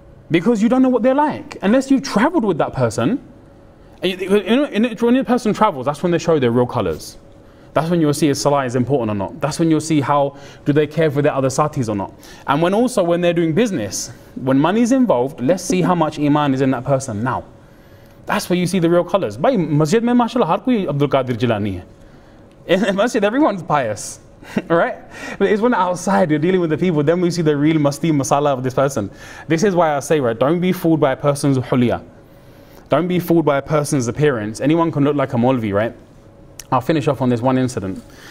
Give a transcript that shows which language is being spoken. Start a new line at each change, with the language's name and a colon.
English: Because you don't know what they're like. Unless you've traveled with that person, when a person travels, that's when they show their real colors. That's when you'll see if salah is important or not. That's when you'll see how do they care for their other satis or not. And when they're doing business, when money's involved, let's see how much iman is in that person now. That's where you see the real colors.
Urdu: بھائی، مسجد میں ماشاءاللہ ہر کوئی عبدالقادر جیلانی ہے۔
English: In masjid, everyone's pious, right? But it's when outside you're dealing with the people, then we see the real masti masala of this person. This is why I say, right, don't be fooled by a person's hulya. Don't be fooled by a person's appearance. Anyone can look like a Maulvi, right? I'll finish off on this one incident.